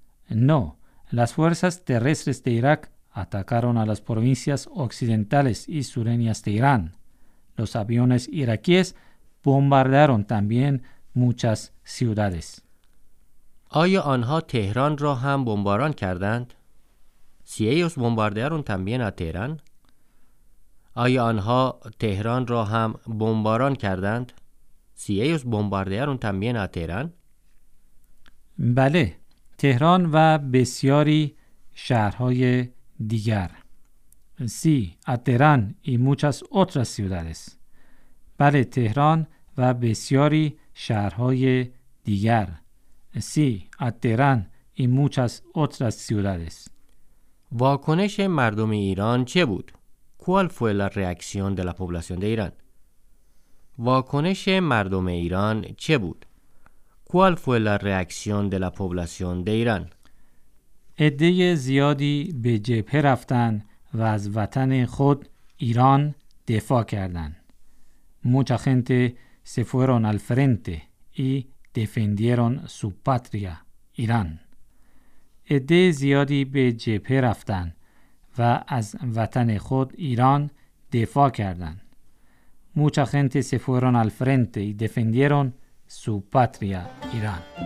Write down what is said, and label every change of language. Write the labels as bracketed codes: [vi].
[es] نه، las fuerzas terrestres de Irak atacaron a las provincias occidentales y sureñas de Irán. Los aviones iraquíes bombardearon también muchas ciudades. [fa] آیا آنها تهران را هم بمباران کردند؟ [es] Si ellos bombardearon también a Teherán. [fa] آیا آنها تهران را هم بمباران کردند؟ [es] Si ellos bombardearon también a Teherán. [fa] بله، تهران و بسیاری شهرهای دیگر. [es] Sí, a Teherán y muchas otras ciudades. [fa] بله، تهران و بسیاری شهرهای دیگر. [es] Sí, a Teherán y muchas otras ciudades. [fa] واکنش مردم ایران چه بود؟ [es] ¿Cuál fue la reacción de la población de Irán? [fa] واکنش مردم ایران چه بود؟ [es] ¿Cuál fue la reacción de la población de Irán? [fa] عده زیادی به جبهه رفتن و از وطن خود ایران دفاع کردند. [es] Mucha gente se fueron al frente y defendieron su patria, Irán. [fa] عده زیادی به جبهه رفتن و از وطن خود ایران دفاع کردند. [es] Mucha gente se fueron al frente y defendieron su patria, Irán.